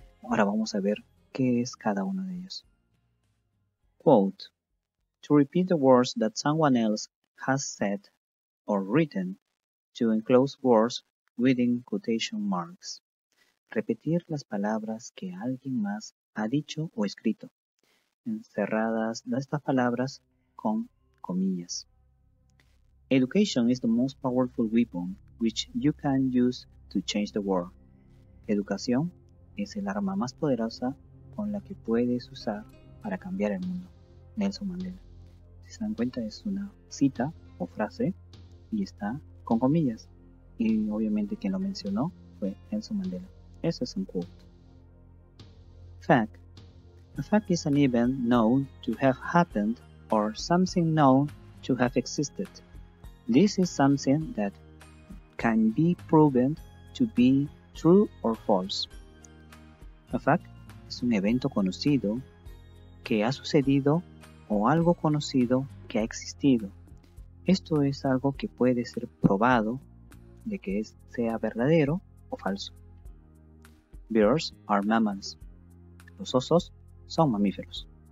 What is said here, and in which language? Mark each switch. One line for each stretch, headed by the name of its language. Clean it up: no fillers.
Spanish: Ahora vamos a ver qué es cada uno de ellos.
English: Quote, to repeat the words that someone else has said or written to enclose words within quotation marks.
Spanish: Repetir las palabras que alguien más ha dicho o escrito. Encerradas estas palabras con comillas.
English: Education is the most powerful weapon which you can use to change the world.
Spanish: Educación es el arma más poderosa con la que puedes usar para cambiar el mundo. Nelson Mandela. Si se dan cuenta, es una cita o frase y está con comillas. Y obviamente quien lo mencionó fue Nelson Mandela. Eso es un quote.
English: Fact. A fact is an event known to have happened or something known to have existed. This is something that can be proven to be true or false.
Spanish: A fact es un evento conocido que ha sucedido o algo conocido que ha existido. Esto es algo que puede ser probado de que sea verdadero o falso.
English: Bears are mammals.
Spanish: Los osos son mamíferos.